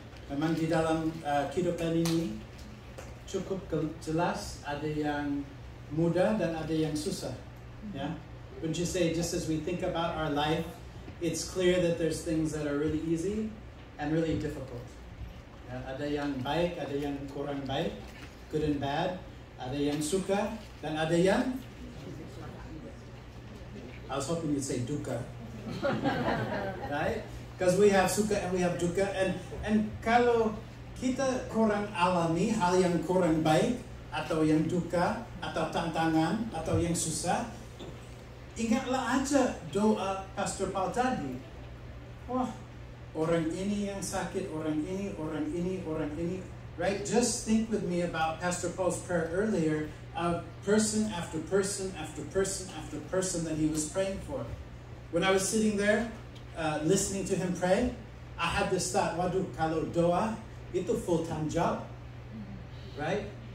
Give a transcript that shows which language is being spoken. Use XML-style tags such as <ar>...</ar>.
<id>Memang di dalam kehidupan ini cukup jelas ada yang mudah dan ada yang susah.</id> <en>Yeah? Wouldn't you say, just as we think about our life, it's clear that there's things that are really easy and really difficult. Yeah?</en> <id>Ada yang baik, ada yang kurang baik,</id> <en>good and bad.</en> <id>Ada yang suka dan ada yang...</id> <en>I was hoping you'd say duka, right? Because we have suka and we have duka.</en> <id>And kalau kita kurang alami hal yang kurang baik, atau yang duka, atau tantangan, atau yang susah, ingatlah aja doa Pastor Paul tadi. Wah, orang ini yang sakit, orang ini, orang ini, orang ini.</id> <en>Right? Just think with me about Pastor Paul's prayer earlier, of person after person after person after person that he was praying for. When I was sitting there listening to him pray, I had this thought,</en> <id>waduh, kalau doa itu</id> <en>full-time job, right?</en>